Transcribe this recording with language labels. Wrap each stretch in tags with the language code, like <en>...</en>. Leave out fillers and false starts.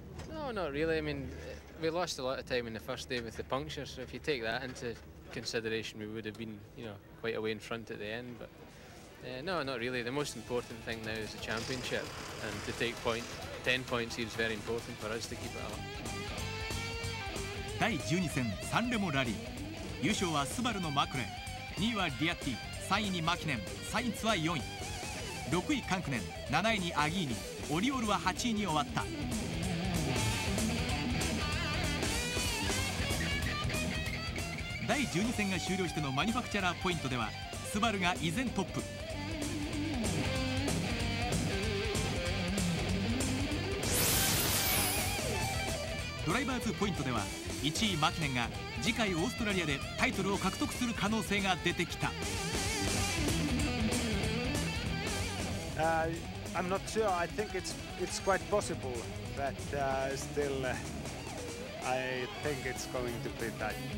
<en>No, not really. I mean, we lost a lot of time in the first day with the puncture, so if you take that into consideration, we would have been, you know, quite a way in front at the end. But no, not really. The most important thing now is the championship, and to take point, 10 points seems very important for us to keep it up.</en> <ja>第12戦サンレモラリー、優勝はスバルのマクレン、2位はリアッティ、3位にマキネン、サインツは4位、6位カンクネン、7位にアギーニ、オリオールは8位に終わった。第12戦が終了してのマニファクチャラーポイントではスバルが依然トップ。ドライバーズポイントでは1位マキネンが次回オーストラリアでタイトルを獲得する可能性が出てきた。</ja> <en>I'm not sure. I think it's quite possible, but still, I think it's going to be tight.</en>